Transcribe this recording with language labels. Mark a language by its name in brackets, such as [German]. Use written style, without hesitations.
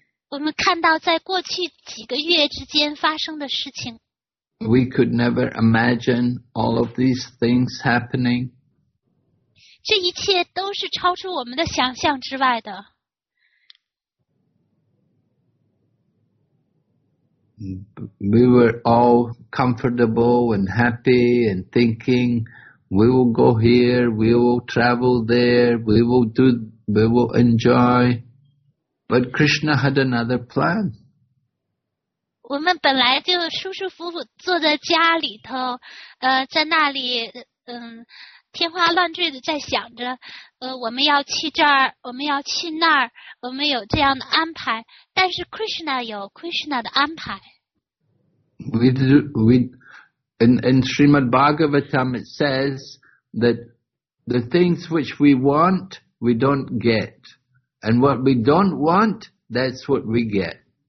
[Chinese] 我们看到在过去几个月之间发生的事情。 [English] We could never imagine all of these things happening. [Chinese] 这一切都是超出我们的想象之外的。 [English] We were all comfortable and happy and thinking, we will go here, we will travel there, we will enjoy. But Krishna had another plan. [Chinese] 我们本来就舒舒服服坐在家里头，在那里，天花乱坠的在想着，我们要去这儿，我们要去那儿，我们有这样的安排。但是 Krishna 有 Krishna 的安排。 [English] In Srimad Bhagavatam it says that the things which we want we don't get, and what we don't want that's what we get.